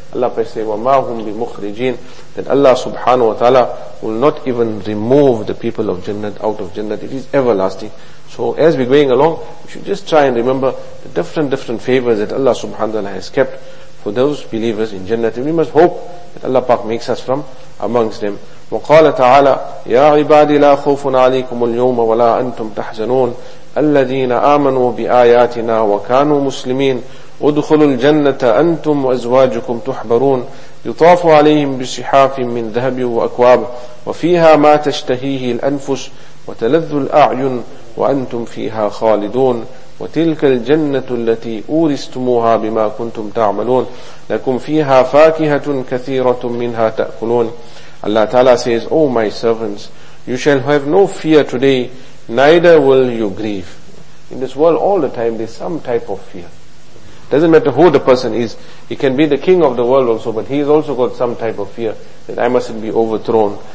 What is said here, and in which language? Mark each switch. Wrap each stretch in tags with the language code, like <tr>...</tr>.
<en>Allah says,</en> <ar>وَمَا هُمْ بِمُخْرِجِينَ,</ar> <en>that Allah subhanahu wa ta'ala will not even remove the people of Jannah out of Jannah. It is everlasting. So as we're going along, we should just try and remember the different favors that Allah subhanahu wa ta'ala has kept for those believers in Jannah. We must hope that Allah Pak makes us from amongst them.</en> <ar>وقال تعالى يا عبادي لا خوف عليكم اليوم ولا أنتم تحزنون الذين آمنوا بآياتنا وكانوا مسلمين ادخلوا الجنة أنتم وأزواجكم تحبرون يطاف عليهم بصحاف من ذهب وأكواب وفيها ما تشتهيه الأنفس وتلذ الأعين وأنتم فيها خالدون وتلك الجنة التي أورثتموها بما كنتم تعملون لكم فيها فاكهة كثيرة منها تأكلون.</ar> <en>Allah Ta'ala says, O my servants, you shall have no fear today, neither will you grieve. In this world, all the time, there's some type of fear. Doesn't matter who the person is. He can be the king of the world also, but he's also got some type of fear that I mustn't be overthrown.</en>